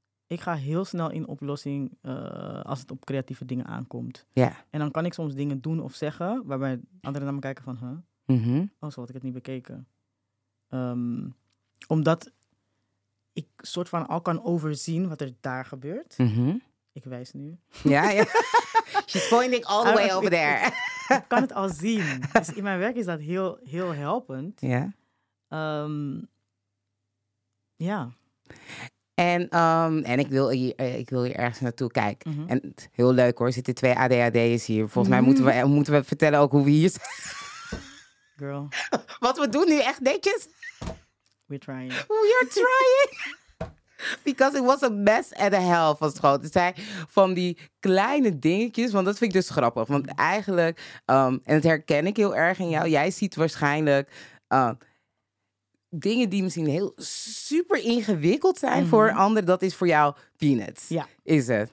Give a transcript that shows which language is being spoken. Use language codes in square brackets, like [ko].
[nl] Ik ga heel snel in oplossing als het op creatieve dingen aankomt. Ja. En dan kan ik soms dingen doen of zeggen... waarbij anderen naar me kijken van... Huh? Mm-hmm. Oh, zo had ik het niet bekeken. Omdat... ik soort van al kan overzien wat er daar gebeurt. Mm-hmm. Ik wijs nu. Ja, ja. [en] She's pointing all the way over there. [nl] Ik kan het al zien. Dus in mijn werk is dat heel, heel helpend. Ja. Ja. En ik wil hier ergens naartoe kijken. Mm-hmm. En heel leuk hoor, er zitten twee ADHD'ers hier. Volgens mij moeten we vertellen ook hoe we hier zijn. [en] Girl. [nl] Wat we doen nu echt netjes... [en] We're trying. We are trying. Because it was a mess and a hell [nl] van school. Het zijn van die kleine dingetjes. Want dat vind ik dus grappig. Want eigenlijk, en dat herken ik heel erg in jou. Jij ziet waarschijnlijk dingen die misschien heel super ingewikkeld zijn mm-hmm. voor anderen. Dat is voor jou peanuts. Ja. Is het.